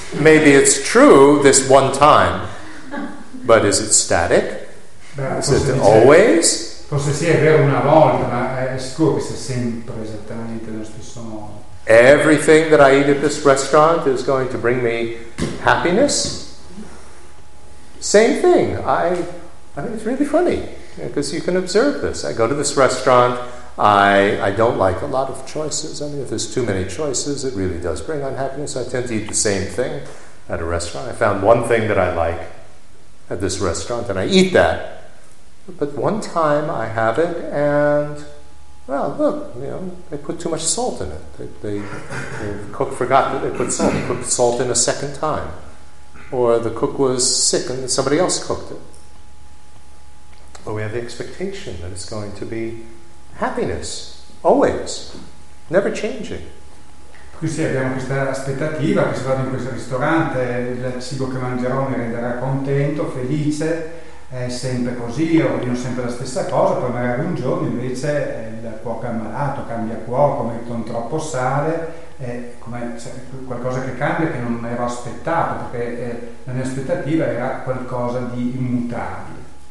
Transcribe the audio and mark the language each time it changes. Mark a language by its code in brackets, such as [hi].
[en] Maybe it's true this one time, but is it static? Is it always? [it] Forse sì, è vero una volta, ma è sicuro che sia sempre esattamente nello stesso modo. [en] Everything that I eat at this restaurant is going to bring me happiness. Same thing. I mean, it's really funny because you can observe this. I go to this restaurant. I don't like a lot of choices. I mean, if there's too many choices, it really does bring unhappiness. I tend to eat the same thing at a restaurant. I found one thing that I like at this restaurant, and I eat that. But one time I have it, and, well, look, you know, they put too much salt in it. The cook forgot that they put salt. They put salt in a second time. Or the cook was sick, and somebody else cooked it. But we have the expectation that it's going to be happiness, always, never changing. [it] Sì, abbiamo questa aspettativa che se vado in questo ristorante il cibo che mangerò mi renderà contento, felice, è sempre così, ordino sempre la stessa cosa, poi magari un giorno invece il cuoco è malato, cambia cuoco, mettono troppo sale, è come, cioè, qualcosa che cambia che non ero aspettato, perché la mia aspettativa era qualcosa di immutabile.